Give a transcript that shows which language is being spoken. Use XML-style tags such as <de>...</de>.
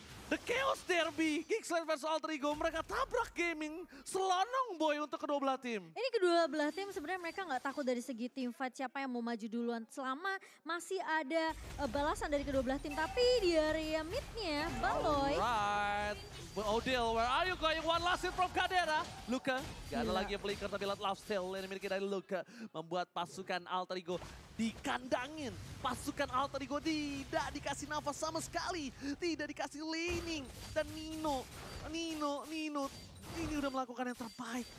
<id>The Chaos Derby, Geekslayer versus Alter Ego, mereka tabrak gaming, selonong boy untuk kedua belah tim. Ini kedua belah tim sebenarnya mereka gak takut dari segi team fight siapa yang mau maju duluan. Selama masih ada balasan dari kedua belah tim, tapi di area mid-nya, Baloy.</id> <en>Alright, but Odil, where are you going? One last hit from Kadera.</en> <id>Luka, gak ada lagi yang flicker tapi lihat love steal yang dimiliki dari Luka. Membuat pasukan Alter Ego dikandangin, pasukan Alter Ego tidak dikasih nafas sama sekali, tidak dikasih leaning. Dan Nino, ini udah melakukan yang terbaik.</id>